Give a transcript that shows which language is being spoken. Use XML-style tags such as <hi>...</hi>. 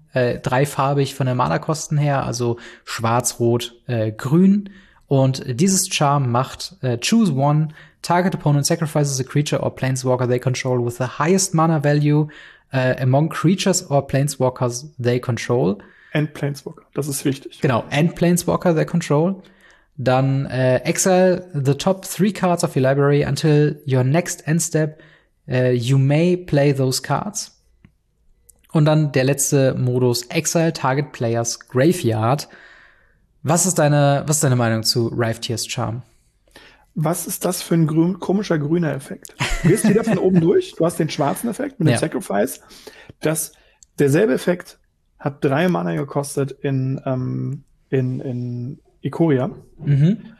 <de>Dreifarbig von den Mana-Kosten her, also schwarz, rot, grün. Und dieses Charm macht</de> <en>Choose one, target opponent sacrifices a creature or planeswalker they control with the highest mana value among creatures or planeswalkers they control. And planeswalker,</en> <de>das ist wichtig.</de> <en>Genau, and planeswalker they control. Dann exile the top three cards of your library until your next end step. You may play those cards.</en> <de>Und dann der letzte Modus,</de> <en>Exile Target Players Graveyard.</en> <de>Was ist deine Meinung zu Rivetears Charm? Was ist das für ein komischer grüner Effekt? Du gehst wieder von oben durch, du hast den schwarzen Effekt mit dem Sacrifice. Das, derselbe Effekt hat 3 Mana gekostet in Ikoria. Mhm.</de>